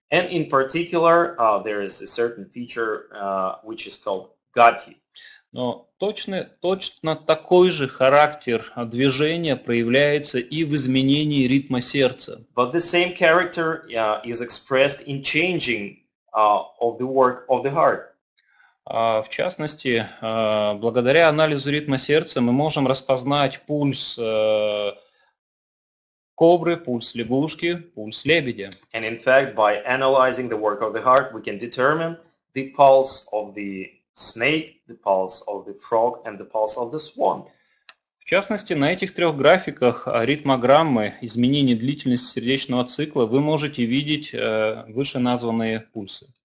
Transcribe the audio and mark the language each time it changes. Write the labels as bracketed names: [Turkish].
[English] And in particular, there is a certain feature which is called gati. [Russian] Но точно такой же характер движения проявляется и в изменении ритма сердца. [English] But the same character is expressed in changing of the work of the heart. [Russian] В частности, благодаря анализу ритма сердца мы можем распознать пульс кобры, пульс лягушки, пульс лебедя. [English] And in fact, by analyzing the work of the heart, we can determine the pulse of the snake, the pulse of the frog, and the pulse of the swan. [Russian] В частности, на этих трех графиках ритмограммы изменения длительности сердечного цикла вы можете видеть выше названные пульсы.